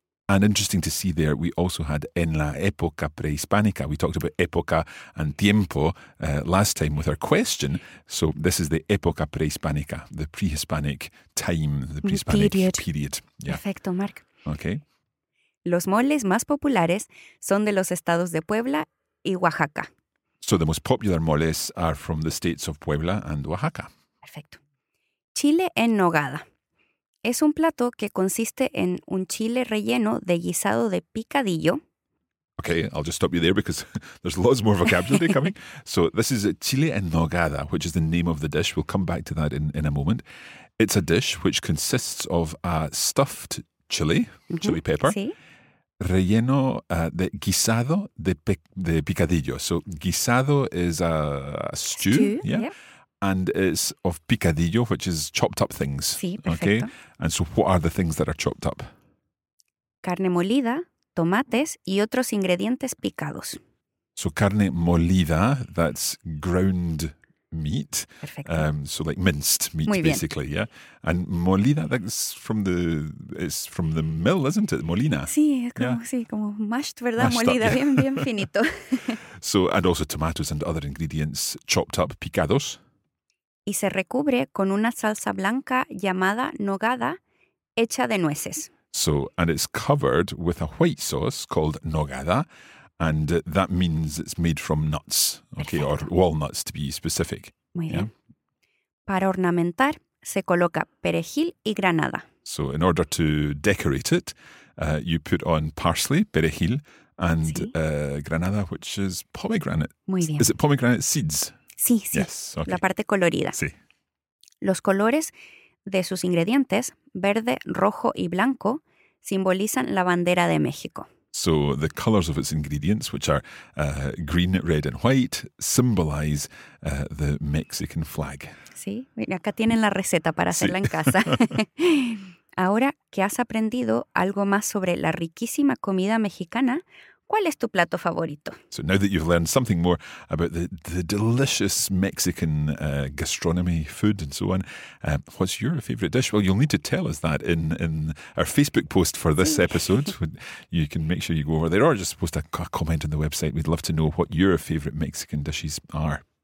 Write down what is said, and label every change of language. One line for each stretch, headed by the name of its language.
English: And interesting to see there, we also had
Spanish: en la época prehispánica,
English: we talked about época and tiempo last time with our question, so this is the
Spanish: época prehispánica,
English: the prehispanic time, the prehispanic period.
Spanish: Yeah. Perfecto, Mark.
English: Okay.
Spanish: Los moles más populares son de los estados de Puebla y Oaxaca.
English: So the most popular moles are from the states of Puebla and Oaxaca.
Spanish: Perfecto. Chile en nogada. Es un plato que consiste en un chile relleno de guisado de picadillo.
English: Okay, I'll just stop you there because there's lots more vocabulary coming. So this is a
Spanish: chile en nogada,
English: which is the name of the dish. We'll come back to that in a moment. It's a dish which consists of a stuffed chili, chili pepper.
Spanish: Sí. Relleno de guisado de picadillo.
English: So guisado is a stew, yeah? Yep. And it's of picadillo, which is chopped up things.
Spanish: Sí, perfecto. Okay?
English: And so what are the things that are chopped up?
Spanish: Carne molida, tomates y otros ingredientes picados.
English: So
Spanish: carne molida,
English: that's ground meat.
Spanish: Perfecto.
English: So like minced meat, basically, yeah. And molida, that's from the mill, isn't it?
Spanish: Molina. Sí, como
English: mashed,
Spanish: ¿verdad?
English: Mashed
Spanish: molida, up, yeah. bien finito.
English: So, and also tomatoes and other ingredients chopped up, picados.
Spanish: Y se recubre con una salsa blanca llamada nogada, hecha de nueces.
English: So, and it's covered with a white sauce called nogada, and that means it's made from nuts, okay,
Spanish: Perfecto.
English: Or walnuts to be specific.
Spanish: Muy yeah? bien. Para ornamentar, se coloca perejil y granada.
English: So, in order to decorate it, you put on parsley, perejil, and granada, which is pomegranate.
Spanish: Muy bien.
English: Is it pomegranate seeds?
Spanish: Sí, sí.
English: Yes, okay.
Spanish: La parte colorida. Sí. Los colores de sus ingredientes, verde, rojo y blanco, simbolizan la bandera de México.
English: So the colors of its ingredients, which are green, red, and white, symbolize the Mexican flag.
Spanish: Sí, acá tienen la receta para hacerla sí. en casa. Ahora que has aprendido algo más sobre la riquísima comida mexicana, ¿cuál es tu plato favorito?
English: So now that you've learned something more about the delicious Mexican gastronomy, food and so on, what's your favorite dish? Well, you'll need to tell us that in our Facebook post for this episode. You can make sure you go over there or just post a comment on the website. We'd love to know what your favorite Mexican dishes are.